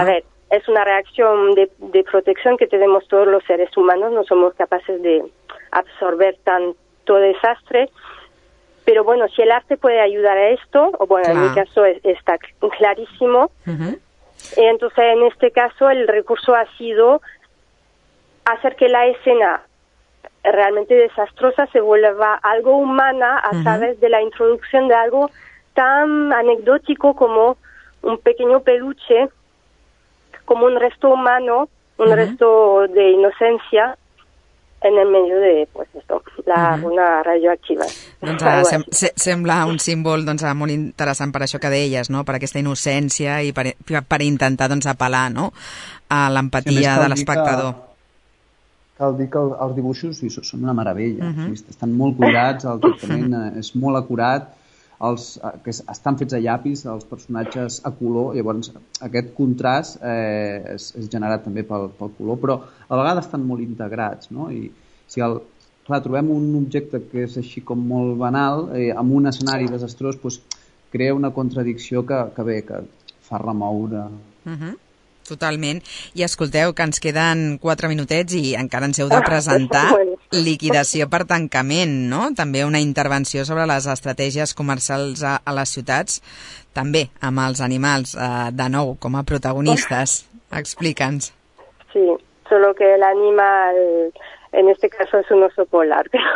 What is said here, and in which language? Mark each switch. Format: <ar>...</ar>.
<es>A ver, es una reacción de protección que tenemos todos los seres humanos, no somos capaces de absorber tanto desastre, pero bueno, si el arte puede ayudar a esto, o bueno, claro. En mi caso está clarísimo, uh-huh. y entonces en este caso el recurso ha sido hacer que la escena realmente desastrosa se vuelva algo humana a uh-huh. través de la introducción de algo tan anecdótico como un pequeño peluche, como un resto humano, un uh-huh. resto de inocencia, en el medio de, pues esto, la una radioactiva.</es> <ca>Doncs sembla un símbol doncs molt interessant per això que deies, no? Per aquesta innocència i per intentar doncs apel·lar, no? A l'empatia de l'espectador. Cal dir que els dibuixos són una meravella, estan molt cuidats, el tractament és molt acurat, que estan fets a llapis, els personatges a color, llavors aquest contrast és generat també pel color, però a vegades estan molt integrats, no? I si clar, trobem un objecte que és així com molt banal, amb un escenari desastrós, doncs, crea una contradicció que bé, que fa remoure. Totalment. I escolteu, que ens queden 4 minutets i encara ens heu de presentar Liquidació per tancament, no? També una intervenció sobre les estratègies comercials a les ciutats, també amb els animals, de nou, com a protagonistes. Explica'ns.</ca> <es>Sí, solo que el animal, en este caso, es un oso polar.</es>